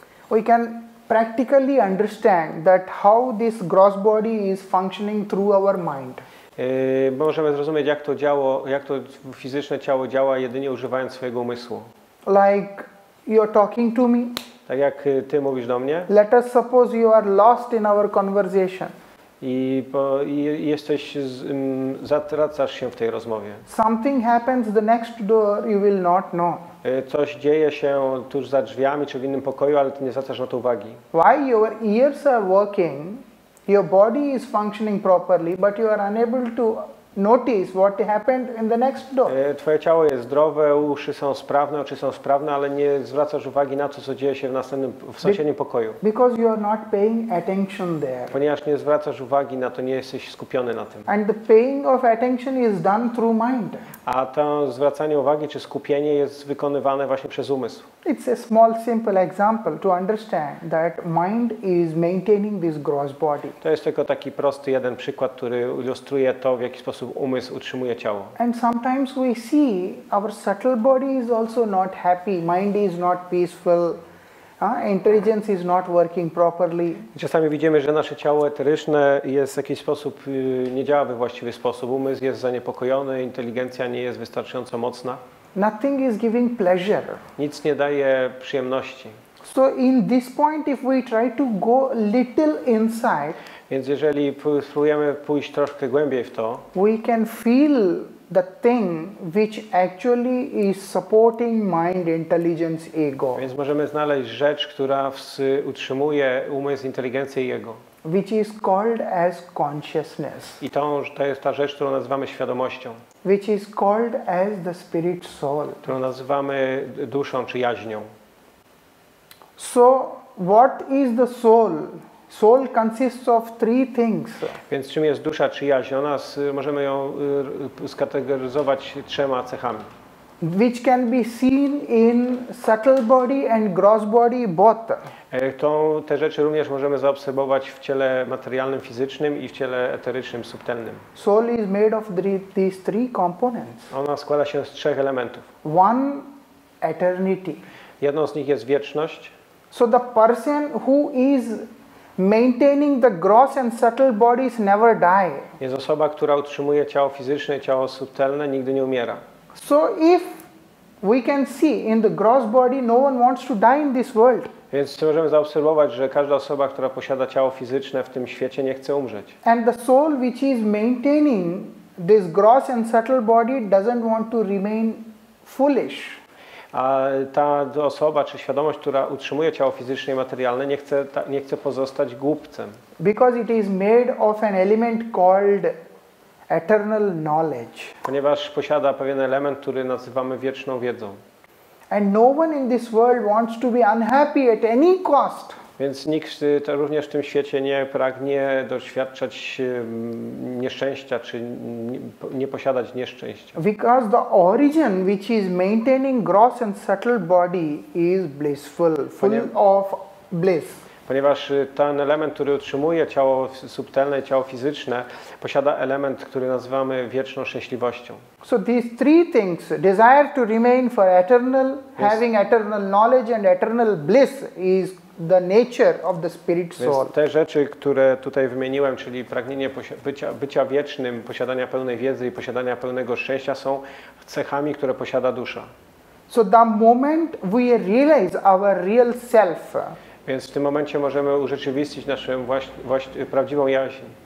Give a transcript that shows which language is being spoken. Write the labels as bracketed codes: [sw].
[en] We can practically understand that how this gross body is functioning through our mind. [pl] Możemy zrozumieć, jak to fizyczne ciało działa jedynie używając swojego umysłu. [en] Like you're talking to me. [pl] Tak jak ty mówisz do mnie. [en] Let us suppose you are lost in our conversation. [pl] I jesteś zatracasz się w tej rozmowie. [en] Something happens the next door, you will not know. [pl] Coś dzieje się tuż za drzwiami czy w innym pokoju, ale ty nie zwracasz na to uwagi. [en] Why your ears are working, your body is functioning properly, but you are unable to notice what happened in the next door. [pl] Twoje ciało jest zdrowe, uszy są sprawne, oczy są sprawne, ale nie zwracasz uwagi na to, co dzieje się w następnym, w sąsiednim pokoju. [en] Because you are not paying attention there. [pl] Ponieważ nie zwracasz uwagi na to, nie jesteś skupiony na tym. [en] And the paying of attention is done through mind. [pl] A to zwracanie uwagi czy skupienie jest wykonywane właśnie przez umysł. [en] It's a small, simple example to understand that mind is maintaining this gross body. [pl] To jest tylko taki prosty jeden przykład, który ilustruje to, w jaki sposób umysł utrzymuje ciało. [en] And sometimes we see our subtle body is also not happy, mind is not peaceful. Intelligence is not working properly. [pl] Czasami widzimy, że nasze ciało eteryczne jest w jakiś sposób nie działa we właściwy sposób. Umysł jest zaniepokojony, inteligencja nie jest wystarczająco mocna. [en] Nothing is giving pleasure. [pl] Nic nie daje przyjemności. [en] So in this point if we try to go little inside, [pl] więc jeżeli spróbujemy pójść troszkę głębiej w to, [en] we can feel the thing which actually is supporting mind, intelligence, ego. [pl] Więc możemy znaleźć rzecz, która utrzymuje umysł, inteligencję i ego. [en] Which is called as consciousness. [pl] I to jest ta rzecz, którą nazywamy świadomością. [en] Which is called as the spirit soul. [pl] Którą nazywamy duszą czy jaźnią. [en] So, what is the soul? Soul consists of three things. [pl] Więc czym jest dusza czy jaźń? Ona możemy ją skategoryzować trzema cechami. [en] Which can be seen in subtle body and gross body both. [pl] Te rzeczy również możemy zaobserwować w ciele materialnym, fizycznym i w ciele eterycznym, subtelnym. [en] Soul is made of these three components. [pl] Ona składa się z trzech elementów. [en] One eternity. [pl] Jedną z nich jest wieczność. [en] So the person who is maintaining the gross and subtle bodies never die. [pl] Jest osoba, która utrzymuje ciało fizyczne, ciało subtelne, nigdy nie umiera. [en] So if we can see in the gross body, no one wants to die in this world. [pl] Więc możemy zaobserwować, że każda osoba, która posiada ciało fizyczne w tym świecie, nie chce umrzeć. [en] And the soul which is maintaining this gross and subtle body doesn't want to remain foolish. [pl] A ta osoba czy świadomość, która utrzymuje ciało fizyczne i materialne, nie chce pozostać głupcem. [en] Because it is made of an element called eternal knowledge. [pl] Ponieważ posiada pewien element, który nazywamy wieczną wiedzą. [en] And no one in this world wants to be unhappy at any cost. [pl] Więc nikt to również w tym świecie nie pragnie doświadczać nieszczęścia czy nie posiadać nieszczęścia. [en] Because the origin which is maintaining gross and subtle body is blissful, full of bliss. [pl] Ponieważ ten element, który utrzymuje ciało subtelne, ciało fizyczne, posiada element, który nazywamy wieczną szczęśliwością. [en] So these three things, desire to remain for eternal, having eternal knowledge and eternal bliss is the nature of the spirit soul. [pl] Więc te rzeczy, które tutaj wymieniłem, czyli pragnienie bycia wiecznym, posiadania pełnej wiedzy i posiadania pełnego szczęścia, są cechami, które posiada dusza. [en] So the moment we realize our real self. [pl] Więc w tym momencie możemy urzeczywistnić naszą prawdziwą jaźń.